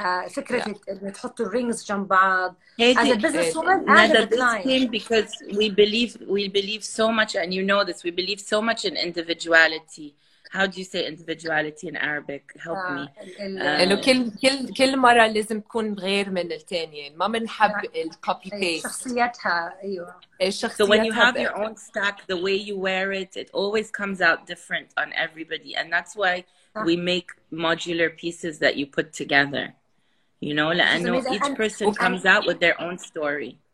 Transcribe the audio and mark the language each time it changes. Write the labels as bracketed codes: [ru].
[ar] فكرة إنه تحط الرينجز جنب بعض. [en] As a businesswoman and as a client. This came because we believe so much, and you know this. We believe so much in individuality. How do you say individuality in Arabic? Help me. [ar] إنه كل مرة لازم تكون غير من التانية. ما بنحب الكوبي بيست. شخصيتها أيوه. [en] So when you have your own stack, the way you wear it, it always comes out different on everybody, and that's why. We make modular pieces that you put together, you know. I know each person comes out with their own story.